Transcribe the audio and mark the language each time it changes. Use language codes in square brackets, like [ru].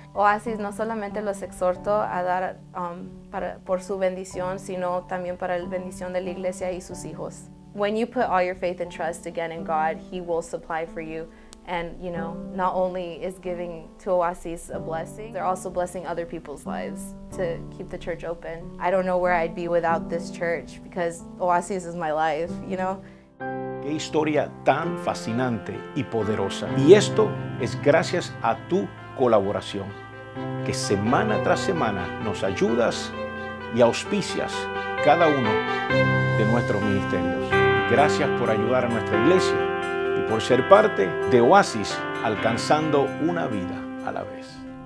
[es] Oasis, no solamente los exhorto a dar por su bendición, sino también para la bendición de la iglesia y sus hijos. [en] When you put all your faith and trust again in God, He will supply for you. And, you know, not only is giving to Oasis a blessing, they're also blessing other people's lives to keep the church open. I don't know where I'd be without this church, because Oasis is my life, you know? [es] Qué historia tan fascinante y poderosa. Y esto es gracias a tu colaboración, que semana tras semana nos ayudas y auspicias cada uno de nuestros ministerios. Gracias por ayudar a nuestra iglesia y por ser parte de Oasis, alcanzando una vida a la vez.